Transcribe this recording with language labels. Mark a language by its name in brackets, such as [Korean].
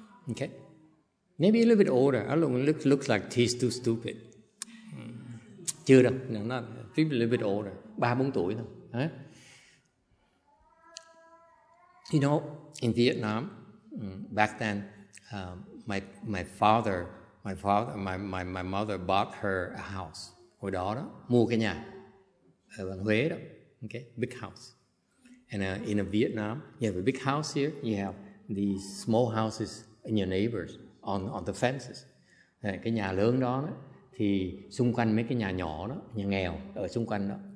[English] Okay? Maybe a little bit older. Alung looks like he's too stupid. [Vietnamese] Chưa đâu. [English] No, not. A little bit older. [Vietnamese] 3-4 tuổi thôi. [English] You know, in Vietnam, back then, my mother bought her a house. [Vietnamese] Hồi đó đó, mua cái nhà ở Huế đó, [English] okay, big house. And in Vietnam, you have a big house here, you have these small houses in your neighbors on the fences. [Vietnamese] Cái nhà lớn đó thì xung quanh mấy cái nhà nhỏ đó, nhà nghèo ở xung quanh đó.